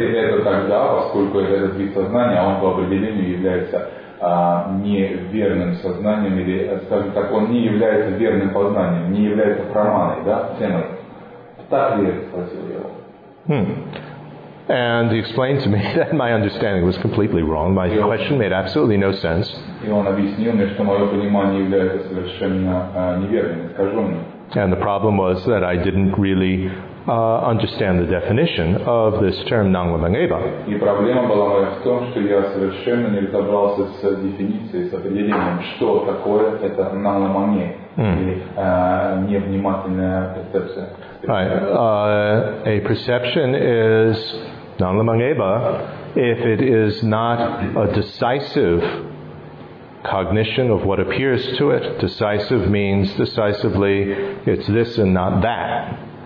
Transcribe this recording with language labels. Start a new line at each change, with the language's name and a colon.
Russian: Это тогда, поскольку это вид сознания, он по определению является неверным сознанием, или, скажем так, он не является верным познанием, не является праманой, да, темой. Так ли это, спросил я его.
English: And he explained to me that my understanding was completely wrong. My question made absolutely no sense.
Russian: И он объяснил мне, что мое понимание является совершенно неверным, искаженным.
English: And the problem was that I didn't really understand the definition of this term Nangla Mangeba.
Russian: И проблема была моя в том, что я совершенно не разобрался с дефиницией, с определением, что такое это Нангла Манге, или невнимательная перцепция.
English: Right. A perception is Nangla Mangeba if it is not a decisive cognition of what appears to it. Decisive means decisively it's this and not that.